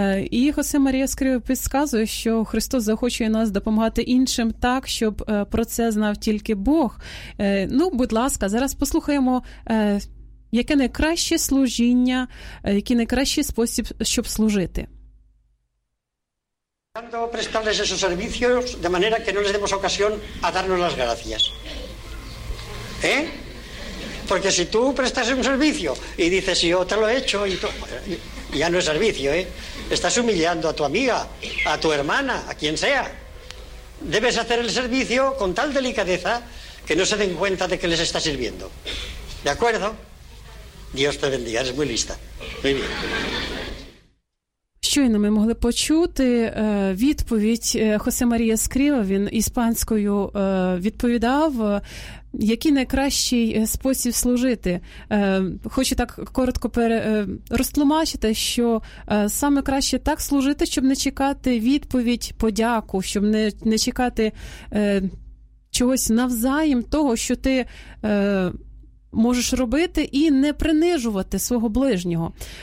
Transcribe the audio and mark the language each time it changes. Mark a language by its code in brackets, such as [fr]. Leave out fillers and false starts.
[uk] І Хосе Марія Скріве підказує, що Христос захочує нас допомагати іншим так, щоб про це знав тільки Бог. Ну, будь ласка, зараз послухаємо, яке найкраще служіння, який найкращий спосіб, щоб служити. [es] Prestarles esos servicios de manera que no les demos ocasión a darnos las gracias. ¿Eh? Porque si tú prestas un servicio y dices, yo te lo he hecho, y tú, ya no es servicio, ¿eh? Estás humillando a tu amiga, a tu hermana, a quien sea. Debes hacer el servicio con tal delicadeza que no se den cuenta de que les está sirviendo. ¿De acuerdo? Dios te bendiga, eres muy lista. Muy bien. [uk] Щойно ми могли почути відповідь Хосе Марія Скріва, він іспанською відповідав, який найкращий спосіб служити. Хочу так коротко розтлумачити, що саме краще так служити, щоб не чекати відповідь, подяку, щоб не чекати чогось навзаєм того, що ти можеш робити, і не принижувати свого ближнього.